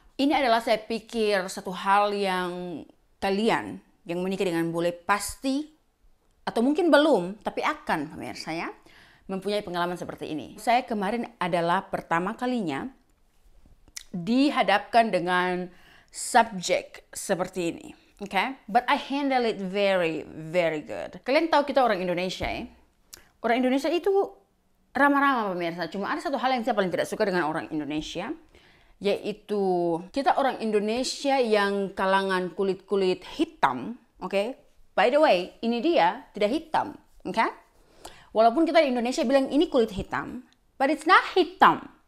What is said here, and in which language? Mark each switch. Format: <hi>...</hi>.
<id>Ini adalah saya pikir satu hal yang kalian yang menikah dengan bule pasti atau mungkin belum, tapi akan, pemirsa, ya, mempunyai pengalaman seperti ini. Saya kemarin adalah pertama kalinya dihadapkan dengan subjek seperti ini.</id> <en>Okay, but I handle it very, very good.</en> <id>Kalian tahu kita orang Indonesia, ya? Orang Indonesia itu ramah-ramah, pemirsa. Cuma ada satu hal yang saya paling tidak suka dengan orang Indonesia, yaitu kita orang Indonesia yang kalangan kulit-kulit hitam. Okay,</id> <en>by the way,</en> <id>ini dia tidak hitam. Okay, walaupun kita di Indonesia bilang ini kulit hitam,</id> <en>but it's not</en> <id>hitam.</id>